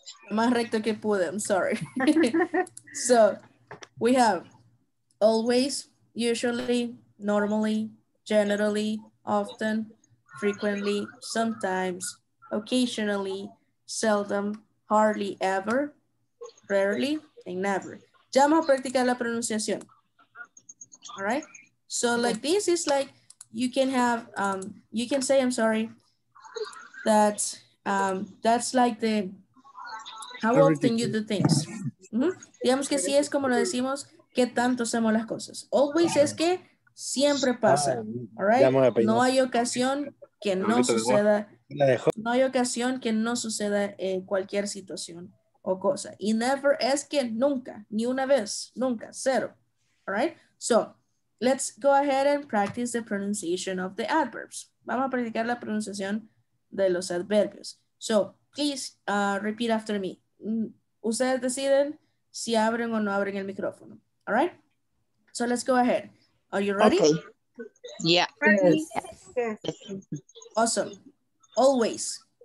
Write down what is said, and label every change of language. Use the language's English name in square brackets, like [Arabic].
[Spanish] Más recto que pude, [English] I'm sorry. So we have always, usually, normally, generally, often, frequently, sometimes, occasionally, seldom, hardly ever, rarely, and never. [Spanish] Ya vamos a practicar la pronunciación. [English] All right, so like this is like you can have you can say I'm sorry that that's like the how often you do things. Mm-hmm. [Spanish] Digamos que sí es como lo decimos que tanto hacemos las cosas. Always es que siempre pasa. All right, no hay ocasión que no suceda. No hay ocasión que no suceda en cualquier situación o cosa. Y never es que nunca, ni una vez, nunca, cero. [English] All right, so let's go ahead and practice the pronunciation of the adverbs. [Spanish] Vamos a practicar la pronunciación de los adverbios. [English] So, please repeat after me. [Spanish] Ustedes deciden si abren o no abren el micrófono. [English] All right? So, let's go ahead. Are you ready? Okay. Yeah. Yes. Awesome. Always.